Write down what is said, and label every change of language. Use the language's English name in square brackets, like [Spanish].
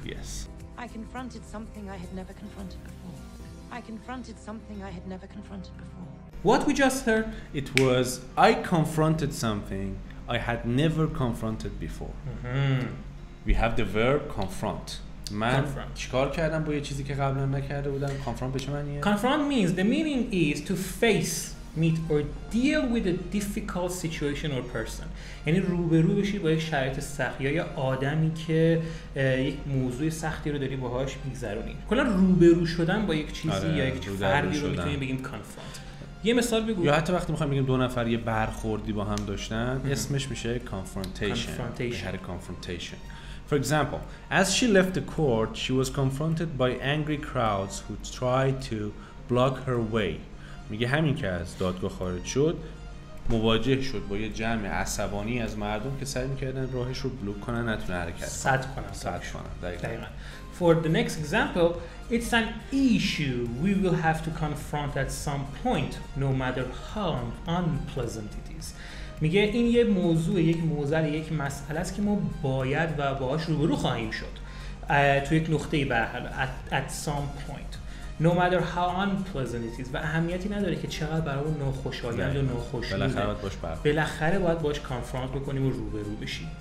[English] Yes. I confronted something I had never confronted before. What we just heard? It was, I confronted something I had never confronted before. Mm-hmm. We have the verb confront. [Persian] من confront. چیکار کردم با یه چیزی که قبلا نکرده بودم؟ confront به چه معنیه؟ [English] Confront means, the meaning is to face, meet or deal with a difficult situation or person. [Persian] یعنی روبرو بشی با یک شرایط سخت یا یه آدمی که یک موضوع سختی رو داری باهاش میگذرونی. کلا روبرو شدن با یک چیزی یا یک فردی رو میتونیم بگیم confront. یه مثال بگو. یا حتی وقتی میخوایم بگیم دو نفر یه برخوردی با هم داشتن اسمش میشه confrontation. [English] Confrontation. They had a confrontation. For example, as she left the court, she was confronted by angry crowds who tried to block her way. [Persian] میگه همین که از دادگاه خارج شد مواجه شد با یه جمع عصبانی از مردم که سعی میکردن راهش رو بلوک کنن نتونه حرکت کنه. صد کنن. دقیقاً. [English] For the next example, it's an issue we will have to confront at some point, no matter how unpleasant it is. [Persian] میگه این یه موضوع، یک مسئله است که ما باید و باهاش روبرو خواهیم شد. تو یک نقطه برحال. [English] At some point. No matter how unpleasant it is. [Persian] و اهمیتی نداره که چقدر برای اون ناخوشایند و ناخوشایند. بالاخره باید باش برخورد. بالاخره باید باش کانفرانت بکنیم و روبرو بشیم.